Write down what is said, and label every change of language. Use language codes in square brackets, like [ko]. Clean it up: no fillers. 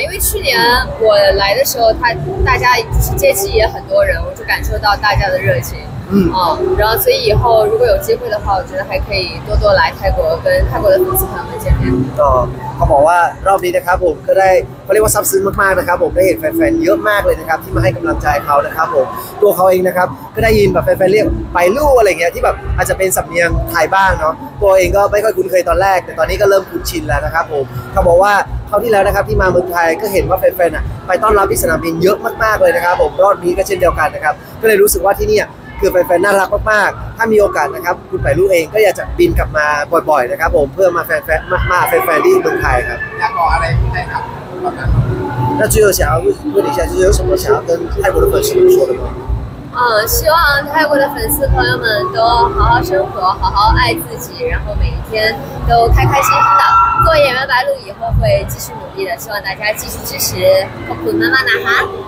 [zh] 因为去年我来的时候，他大家接机也很多人，我就感受到大家的热情。嗯啊，然后所以以后如果有机会的话，我觉得还可以多多来泰国，跟泰国的粉丝朋友们见面。 [th] เขาบอกว่ารอบนี้นะครับผมก็ได้เขาเรียกว่าซับซึ้งมากๆนะครับผมได้เห็นแฟนๆเยอะมากเลยนะครับที่มาให้กำลังใจเขานะครับผมตัวเขาเองนะครับก็ได้ยินแบบแฟนๆเรียกไปลู่อะไรเงี้ยที่แบบอาจจะเป็นสำเนียงไทยบ้างเนาะตัวเองก็ไม่ค่อยคุ้นเคยตอนแรกแต่ตอนนี้ก็เริ่มคุ้นชินแล้วนะครับผมเขาบอกว่า เขาที่แล้วนะครับที่มาเมืองไทยก็เห็นว่าแฟนๆอ่ะไปต้อนรับที่สนามบินเยอะมากๆเลยนะครับผมรอบนี้ก็เช่นเดียวกันนะครับก็เลยรู้สึกว่าที่นี่คือแฟนๆน่ารักมากๆถ้ามีโอกาสนะครับคุณไปรู้เองก็อยากจะบินกลับมาบ่อยๆนะครับผมเพื่อมาแฟนๆมาแฟนๆที่เมืองไทยครับ อยากบอกอะไรได้ครับ ตอนนั้นถ้าเจอ [zh] 想要问一下就是有什么想要跟泰国的粉丝们说的吗希望泰国的粉丝朋友们都好好生活好好爱自己然后每一天都开开心心的做演员白鹿以后会继续努力的希望大家继续支持 [th] ขอบคุณมากๆนะคะ